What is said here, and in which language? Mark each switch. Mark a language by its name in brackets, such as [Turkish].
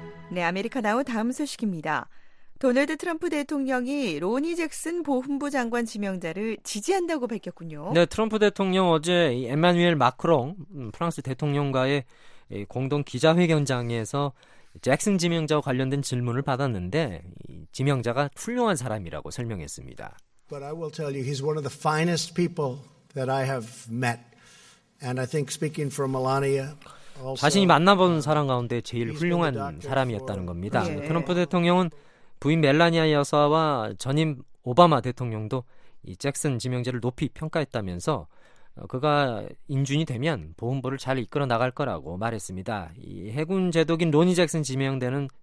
[Korean] 네, 아메리카나우 다음 소식입니다. 도널드 트럼프 대통령이 로니 잭슨 보훈부 장관 지명자를 지지한다고 밝혔군요. 네, 트럼프 대통령 어제 에마뉘엘 마크롱 프랑스 대통령과의 공동 기자회견장에서 잭슨 지명자와 관련된 질문을 받았는데 지명자가 훌륭한 사람이라고 설명했습니다. [English] But I will tell you, he's one of the finest people that I have met. And I think speaking for Melania, [Korean] 자신이 만나본 사람 가운데 제일 훌륭한 사람이었다는 겁니다. 예. 트럼프 대통령은 부인 멜라니아 여사와 전임 오바마 대통령도 이 잭슨 지명자를 높이 평가했다면서 그가 인준이 되면 보훈부를 잘 이끌어 나갈 거라고 말했습니다. 이 해군 제독인 로니 잭슨 지명대는